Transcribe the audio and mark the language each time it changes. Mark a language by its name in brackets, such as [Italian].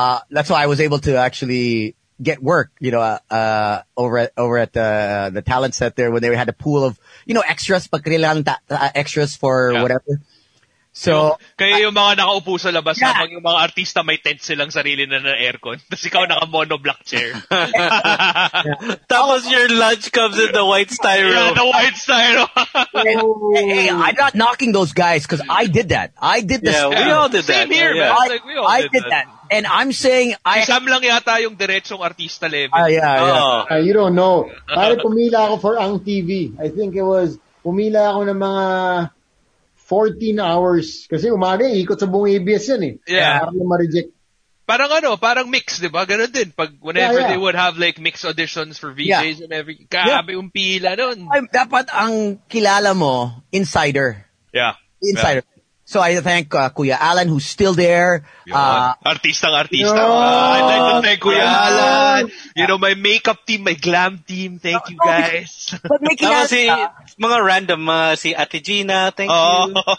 [English] That's why I was able to actually get work, you know, over at the talent set there when they had a pool of, you know, extras, extras for whatever. So, [Filipino] kaya yung mga nakaupo sa labas habang yung mga artista may tent silang sarili na ng aircon. Tapos ikaw naka-monoblock chair. Tapos [English] your lunch comes in the white styro. Yeah, the white styro. hey, I'm not knocking those guys because I did that. I did the styro. Yeah, we all did that. Same here, man. I did that. And I'm saying, [Filipino] isam lang yata yung diretsong artista level. [English] You don't know. [Filipino] Pare, pumila ako for Ang TV. [English] I think it was, [Filipino] pumila ako ng mga [English] 14 hours. [Filipino] Kasi umaga, ikot sa buong ABS yan eh. [English] Yeah. [Filipino] Parang ma-reject. Parang ano, parang mix, di ba? Ganun din. Pag [English] whenever they would have like mix auditions for VJs and every, [Filipino] kaabi yung pila nun. Dapat ang kilala mo, insider. [English] Yeah. Insider. Yeah. So I thank Kuya Alan, who's still there. [Filipino] Artistang artista. [English] I'd like to thank Kuya Alan. You know, my makeup team, my glam team. Thank you guys. But making us mga random, si Ate Gina. Thank you.